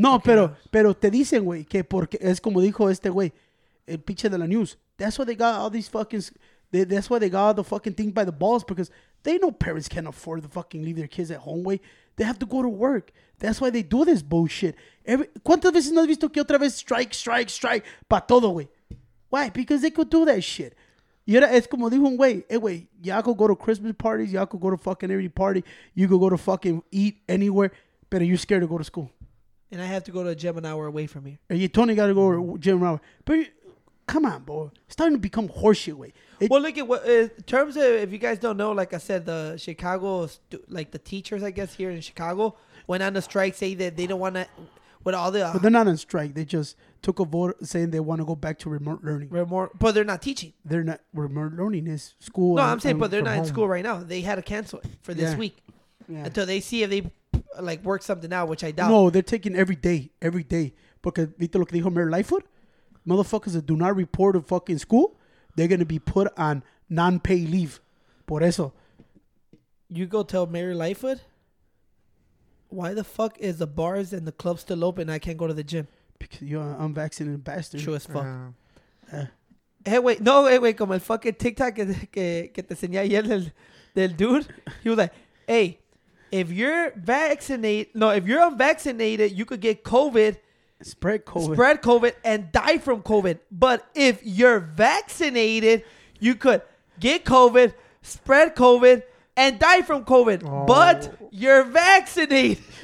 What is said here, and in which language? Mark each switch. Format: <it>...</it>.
<es>No, pero te dicen, güey, que porque es como dijo este güey, el pinche de la news.</es> <en>That's why they got all these fucking, that's why they got all the fucking thing by the balls. Because they know parents can't afford to fucking leave their kids at home, güey. They have to go to work. That's why they do this bullshit.</en> <es>¿Cuántas veces no has visto que otra vez strike pa todo, güey?</es> <en>Why? Because they could do that shit.</en> <es>Y era, es como dijo un güey, hey, güey,</es> <en>y'all could go to Christmas parties, y'all could go to fucking every party, you could go to fucking eat anywhere, but you're scared to go to school. And I have to go to a gym an hour away from here. And you totally got to go to a gym an hour. But come on, boy. It's starting to become horseshit, güey. Well, look at what, in terms of, if you guys don't know, like I said, the Chicago, like the teachers, I guess, here in Chicago, went on a strike saying that they don't want to, with all the... But they're not on strike. They just took a vote saying they want to go back to remote learning. But they're not teaching. They're not, remote learning is school. No, I'm saying, but they're not home. In school right now. They had to cancel it for this week. Yeah. Until they see if they, like, work something out, which I doubt. No, they're taking every day. Because,</en> <es>¿viste lo que dijo</es> <en>Mayor Lightfoot? Motherfuckers that do not report to fucking school, they're going to be put on non-pay leave.</en> <es>Por eso.</es> <en>You go tell Mayor Lightfoot? Why the fuck is the bars and the clubs still open and I can't go to the gym? Because you're an unvaccinated bastard. True as fuck. Hey, wait. No, hey, wait.</en> <es>Como el fucking TikTok que te enseñé ayer del dude.</es> <en>He was like, hey, if you're unvaccinated, you could get COVID. Spread COVID and die from COVID. But if you're vaccinated, you could get COVID, spread COVID, and die from COVID, but you're vaccinated.</en>